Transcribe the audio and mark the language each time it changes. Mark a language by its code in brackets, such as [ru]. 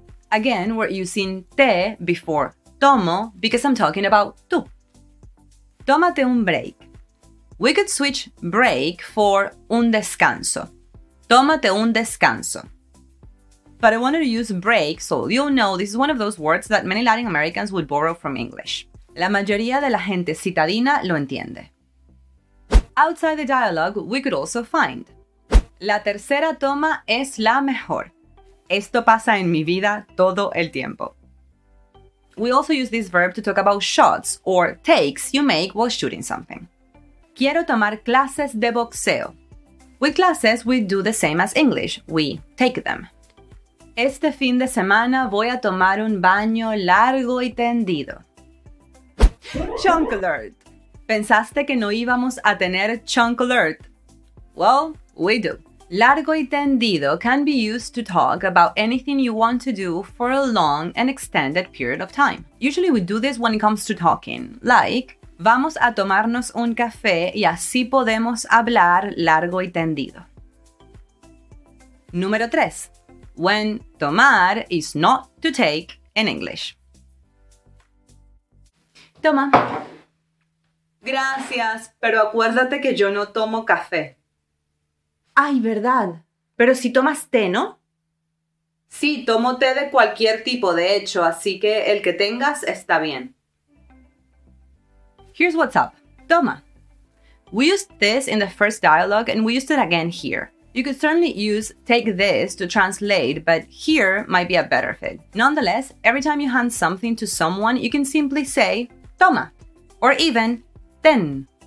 [en] Again, we're using te before tomo because I'm talking about tú. [es] Tómate un break. [en] We could switch break for [es] un descanso. Tómate un descanso. [en] but I wanted to use break so you'll know this is one of those words that many Latin Americans would borrow from English. [es] La mayoría de la gente citadina lo entiende. [en] Outside the dialogue, we could also find: [es] la tercera toma es la mejor. Esto pasa en mi vida todo el tiempo. [en] We also use this verb to talk about shots or takes you make while shooting something. [es] Quiero tomar clases de boxeo. [en] With classes, we do the same as English. We take them. [es] Este fin de semana voy a tomar un baño largo y tendido. [en] Chunk alert. [es] ¿Pensaste que no íbamos a tener chunk alert? [en] Well, we do. Largo y tendido can be used to talk about anything you want to do for a long and extended period of time. Usually we do this when it comes to talking, like [es] vamos a tomarnos un café y así podemos hablar largo y tendido. Número 3. [en] When tomar is not to take in English. [es] Toma. Gracias, pero acuérdate que yo no tomo café. Ay, verdad. Pero si tomas té, ¿no? Sí, tomo té de cualquier tipo, de hecho, así que el que tengas está bien. [en] Here's what's up. Toma. We used this in the first dialogue and we used it again here. You could certainly use take this to translate, but here might be a better fit. Nonetheless, every time you hand something to someone, you can simply say toma or even ten.